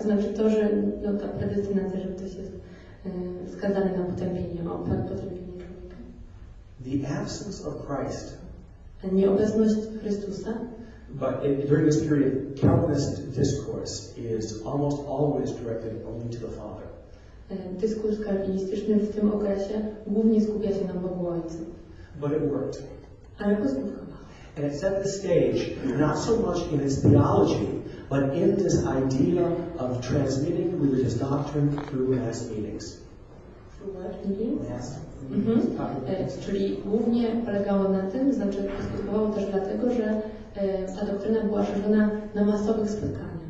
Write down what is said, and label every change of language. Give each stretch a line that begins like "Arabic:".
Polish: To znaczy to, że no, ta predestynacja, że ktoś jest skazany na potępienie, o potępienie człowieka.
English: The absence of Christ.
Polish: Nieobecność Chrystusa.
English: But during this period, Calvinist discourse is almost always directed only to the Father.
Polish: Dyskurs kalwinistyczny w tym okresie głównie skupia się na Bogu Ojcu.
English: But it worked.
Polish: Ale poskutkowało.
English: And it set the stage not so much in its theology, but in this idea of transmitting religious doctrine through mass meetings. Through what meetings? Mass.
Polish: Czyli głównie polegało na tym, znaczy poskutkowało też dlatego, że ta doktryna była szerzona na masowych spotkaniach.